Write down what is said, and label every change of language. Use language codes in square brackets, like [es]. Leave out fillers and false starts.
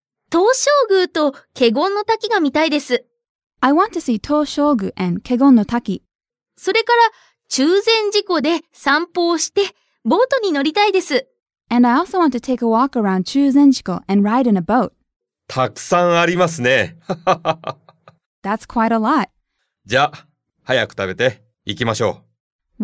[ja] 東照宮と華厳の滝が見たいです。 [en] I want to see 東照宮 and 華厳の滝。 [ja] それから中禅寺湖で散歩をしてボートに乗りたいです。 [en] And I also want to take a walk around 中禅寺湖 and ride in a boat. [ja] たくさんありますね。 [en] That's quite a lot. [ja] じゃあ、早く食べて行きましょう。